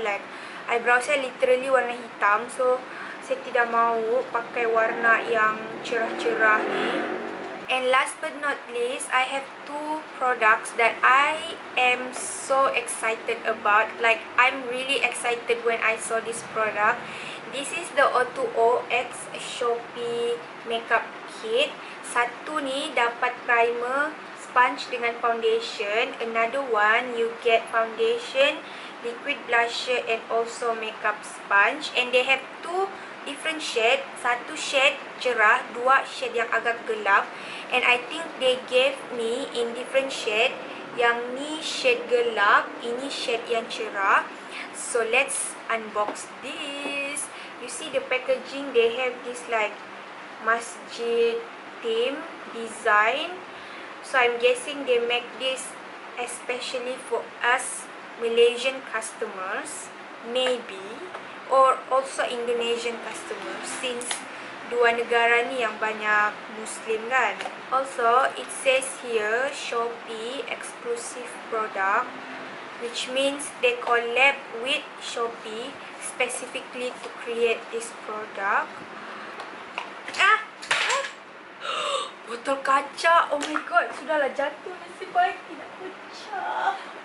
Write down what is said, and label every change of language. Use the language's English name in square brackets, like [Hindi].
[Malay] Like, eyebrow saya literally warna hitam. So, saya tidak mahu pakai warna yang cerah-cerah ni. [English] And last but not least, I have two products that I am so excited about. Like, I'm really excited when I saw this product. This is the O2O X Shopee Makeup Kit. [Malay] Satu ni dapat primer, sponge dengan foundation. [English] Another one, you get foundation, liquid blusher and also makeup sponge. And they have two different shade. Satu shade cerah, dua shade yang agak gelap. And I think they gave me in different shade. [Malay] Yang ni shade gelap, ini shade yang cerah. [English] So let's unbox this. You see the packaging, they have this like masjid theme design. So I'm guessing they make this especially for us Malaysian customers. Maybe. Or also Indonesian customers since dua negara ni yang banyak Muslim kan. Also, it says here Shopee exclusive product, which means they collab with Shopee specifically to create this product. [Malay] Botol kaca. Oh my god, sudahlah jatuh, nasib baik tidak pecah.